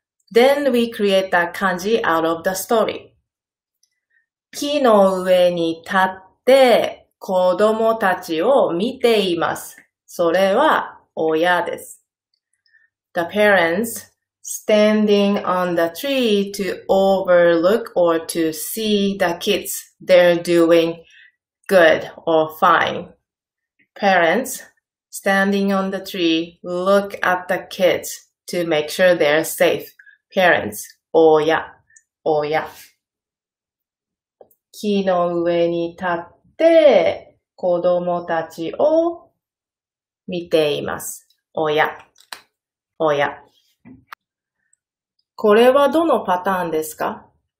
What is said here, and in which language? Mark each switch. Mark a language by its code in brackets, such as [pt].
[en] Then we create the kanji out of the story. [ja] 木の上に立って子供たちを見ています。それは親です。 [en] The parents standing on the tree to overlook or to see the kids. They're doing good or fine. Parents standing on the tree look at the kids to make sure they're safe. Parents, [ja] 親, 親. 木の上に立って子供たちを見ています。親, 親.これはどのパターンですか？